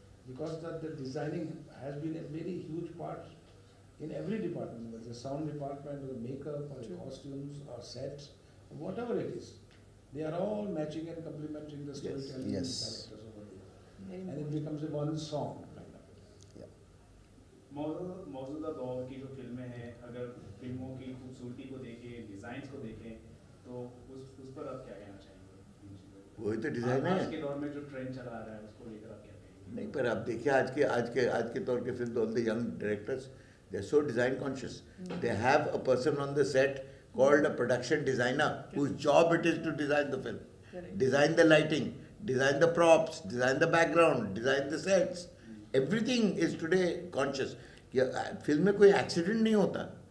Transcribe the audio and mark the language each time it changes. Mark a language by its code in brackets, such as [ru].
[en] Because that the designing has been a very huge part. In every department, whether it's a sound department, or the makeup, or the costumes, or sets, whatever it is, they are all matching and complementing the storytelling yes. characters yes. over there. Mm-hmm. And it becomes a one song kind of. Yeah. [hi] मौजूदा दौर की जो फिल्में हैं, अगर फिल्मों की खूबसूरती को देखें, डिजाइन्स को देखें, तो उस पर आप क्या कहना चाहेंगे? वही तो डिजाइन है। आज के दौर में जो ट्रेंड चला रहा है, उसको लेकर आप क्या कहेंगे? नहीं पर आप देखिए आज के दौर के film [en] All the young directors They're so design conscious. Mm-hmm. They have a person on the set called a production designer yes. whose job it is to design the film. Correct. Design the lighting, design the props, design the background, design the sets. Mm-hmm. Everything is today conscious. [hi] Film mein koi accident nahi hota.